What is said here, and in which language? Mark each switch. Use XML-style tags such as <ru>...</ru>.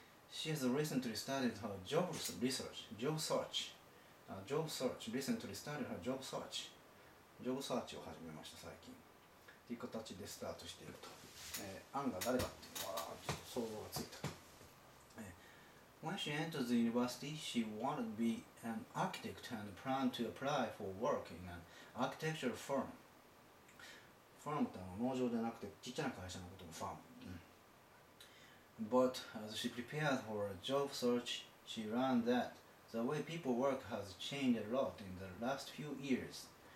<en>She has recently started her job research, job search. Job search, recently started her job search.</en> <ja>Job search を始めました、最近。という形でスタートしていると。案が誰だっていうのは、ちょっと想像がついた。</ja> <en>When she entered the university, she wanted to be an architect and planned to apply for work in an architectural firm.</en> <ja>Firm ってのは農場じゃなくて、ちっちゃな会社のことも firm。</ja> <en>But as she prepared for a job search, she learned that the way people work has changed a lot in the last few years.</en>